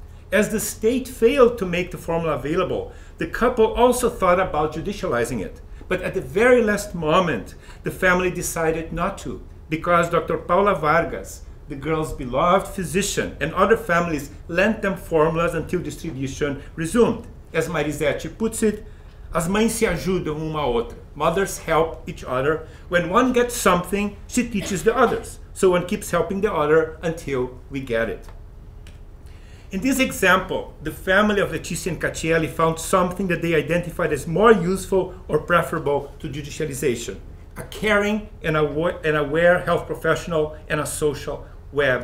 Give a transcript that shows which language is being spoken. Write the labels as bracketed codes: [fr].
[en] As the state failed to make the formula available, the couple also thought about judicializing it. But at the very last moment, the family decided not to, because Dr. Paula Vargas, the girl's beloved physician, and other families lent them formulas until distribution resumed. As Marizete puts it, [pt] as mães se ajudam uma a outra. [en] Mothers help each other. When one gets something, she teaches the others. So one keeps helping the other until we get it. In this example, the family of Letizia and Caccielli found something that they identified as more useful or preferable to judicialization: a caring and aware health professional and a social web.